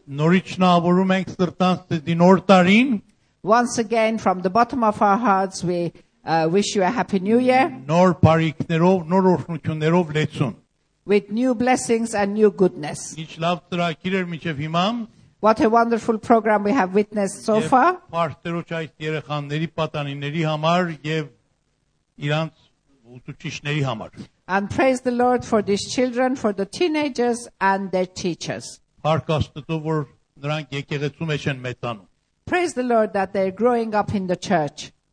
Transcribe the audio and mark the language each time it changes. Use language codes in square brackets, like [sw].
[hy] Նորից շնորհում ենք սրտանց ձեզի նոր տարին։ [en] Once again from the bottom of our hearts we wish you a happy new year. [hy] Նոր բարիքներով, նոր օրհնություններով լեցուն։ [en] With new blessings and new goodness. [hy] Ինչ լավ ծրագիր էր մինչև հիմա։ [en] What a wonderful program we have witnessed so far. [hy] Պարտերոջ այս երեխաների պատանիների համար եւ իրանց ուսուցիչների համար։ [en] And praise the Lord for these children, for the teenagers and their teachers. Praise the Lord that they're growing up in the church.